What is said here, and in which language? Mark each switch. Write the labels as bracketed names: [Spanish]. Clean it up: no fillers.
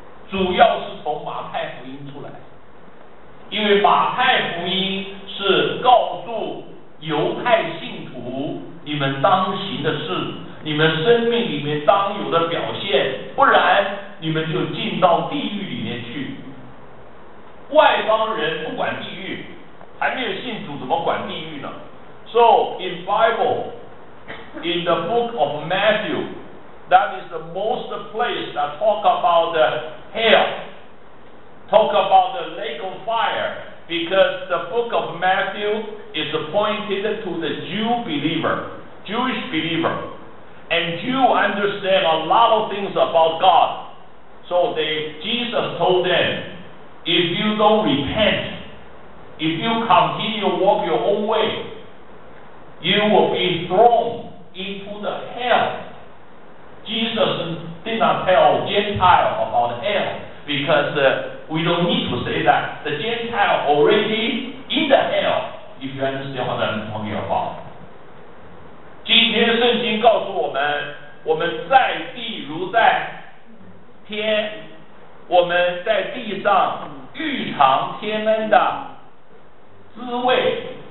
[Chinese] 主要是从马太福音出来，因为马太福音是告诉犹太信徒你们当行的事，你们生命里面当有的表现，不然你们就进到地狱里面去。外邦人不管地狱，还没有信主怎么管地狱呢？ [English] So, in Bible, in the book of Matthew, that is the most place that talk about the hell, talk about the lake of fire, because the book of Matthew is pointed to the Jew believer, Jewish believer. And Jew understand a lot of things about God. So, Jesus told them, if you don't repent, if you continue to walk your own way, you will be thrown into the hell. Jesus did not tell Gentile about hell because we don't need to say that. The Gentile already in the hell, if you understand what I'm talking about. [Chinese] 今天的圣经告诉我们，我们在地如在天，我们在地上欲尝天恩的滋味。